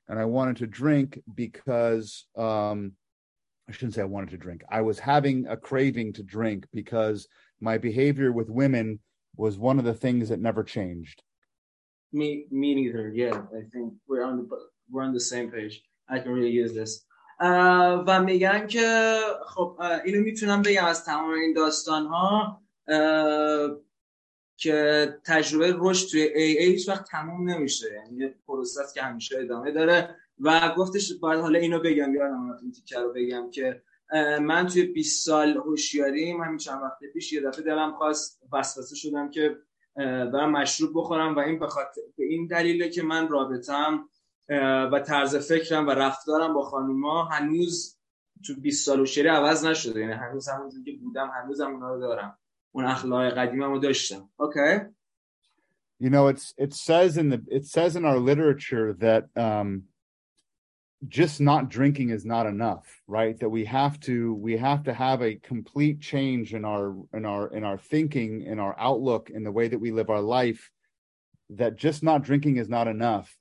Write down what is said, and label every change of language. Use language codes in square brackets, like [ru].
[en] And I wanted to drink because, I shouldn't say I wanted to drink. I was having a craving to drink because my behavior with women was one of the things that never changed. Me neither. Yeah, I think we're on the same page. I can really use this. [fa] و میگن که خب اینو میتونم بگم از تمام این داستان ها که تجربه رشد توی AA هیچ وقت تموم نمیشه، یعنی یه پروسه است که همیشه ادامه داره. و گفتش باید حالا اینو بگم یا نمیتونم تیکه رو بگم که من توی 20 سال هوشیاریم همین چند وقت پیش یه دفعه دلم خواست وسوسه شدم که برم مشروب بخورم و این به این دلیله که من رابطم و طرز فکرم و رفتارم با خانوما هنوز تو 20 سال هوشیاری عوض نشده، یعنی هنوز همونجوری که بودم هنوز هم اونا رو دارم، اون اخلاق قدیممو داشتم. [en] Okay. You know, it says in our literature that just not drinking is not enough, right? That we have to have a complete change in our thinking, in our outlook, in the way that we live our life, that just not drinking is not enough.